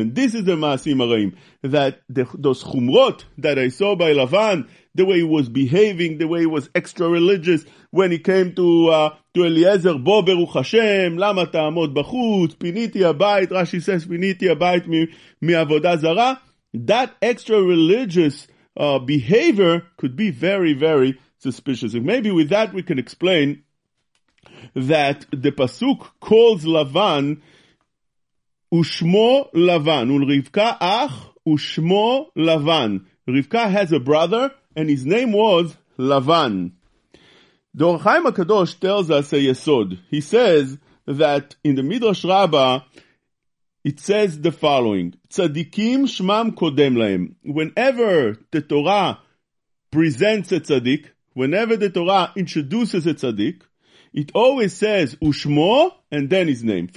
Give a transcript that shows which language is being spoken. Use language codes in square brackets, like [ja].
[en] And this is the ma'asim haraim, that those chumrot that I saw by Lavan, the way he was behaving, the way he was extra religious when he came to Eliezer, [he] bo beruch Hashem, lama ta'amot b'chut, piniti abayit, [en] Rashi says, [he] piniti abayit mi'avodah zara. [en] That extra religious behavior could be very, very suspicious. And maybe with that we can explain that the pasuk calls Lavan [he] ושמו לבן, ולרבקה אח, ושמו לבן. [en] רבקה has a brother, and his name was לבן. דור חיים הקדוש tells us a יסוד. He says that in the Midrash Rabbah, it says the following, [he] צדיקים שמם קודם להם. [en] Whenever the Torah presents a tzaddik, whenever the Torah introduces a tzaddik, it always says ushmo and then his name.